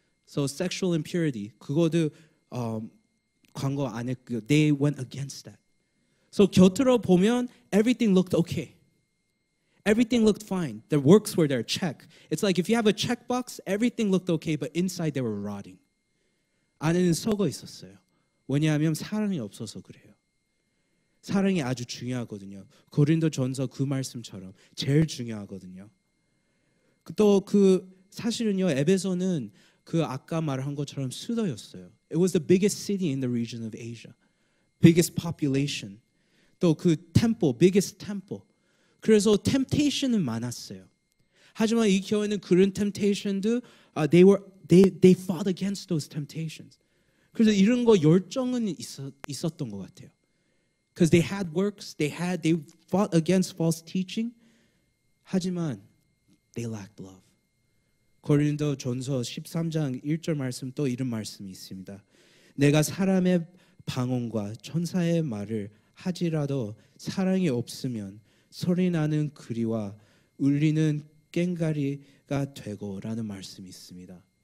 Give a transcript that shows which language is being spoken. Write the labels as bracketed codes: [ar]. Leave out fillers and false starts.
[en] So sexual impurity, [ko] 그거도 광고 안 했고요. [en] They went against that. So [ko] 곁으로 보면 [en] everything looked okay. Everything looked fine. Their works were their check. It's like if you have a checkbox, everything looked okay, but inside they were rotting. [ko] 안에는 썩어 있었어요. 왜냐하면 사랑이 없어서 그래요. 사랑이 아주 중요하거든요. 고린도 전서 그 말씀처럼 제일 중요하거든요. 또 그 사실은요, 에베소는 그 아까 말한 것처럼 수도였어요. [en] It was the biggest city in the region of Asia. Biggest population. 또 그 temple, biggest temple. [ko] 그래서 temptation은 많았어요. 하지만 이 교회는 그런 temptation도 [en] they fought against those temptations. [ko] 그래서 이런 거 열정은 있었던 것 같아요. [en] Because they had works, they fought against false teaching. [ko] 하지만 [en] they lacked love. [ko] 고린도 전서 13장 1절 말씀 또 이런 말씀이 있습니다. 내가 사람의 방언과 천사의 말을 하지라도 사랑이 없으면 소리 나는 그리와 울리는 꽹가리가 되고라는 말씀이 있습니다.